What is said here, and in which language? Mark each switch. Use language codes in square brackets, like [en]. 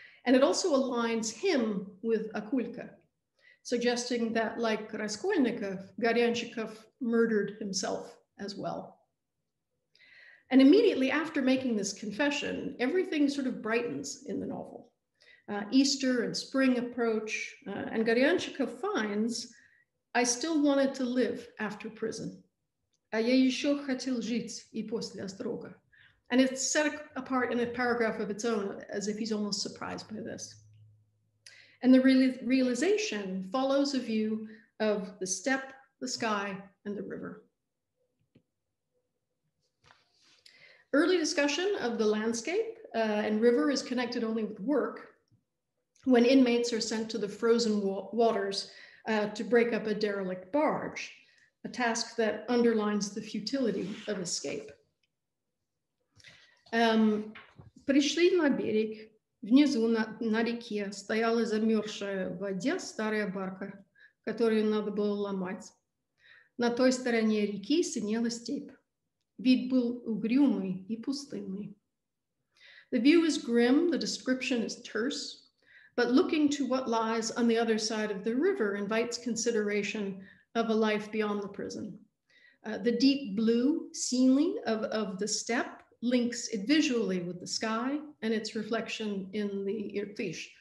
[en] And it also aligns him with Akulka, suggesting that like Raskolnikov, Garyanchikov murdered himself as well. And immediately after making this confession, everything sort of brightens in the novel. Easter and spring approach, and Garyanchikov finds I still wanted to live after prison. [ru] А я ещё хотел жить и после острога. [en] And it's set apart in a paragraph of its own, as if he's almost surprised by this. And the realization follows a view of the steppe, the sky, and the river. Early discussion of the landscape and river is connected only with work, when inmates are sent to the frozen waters to break up a derelict barge, a task that underlines the futility of escape. [ru] Пришли на берег. Внизу на реке стояла замерзшая в воде старая барка, которую надо было ломать. На той стороне реки синела степь. Вид был угрюмый и пустынный. [en] The view is grim, the description is terse, but looking to what lies on the other side of the river invites consideration of a life beyond the prison. The deep blue ceiling of the steppe links it visually with the sky and its reflection in the Irtysh.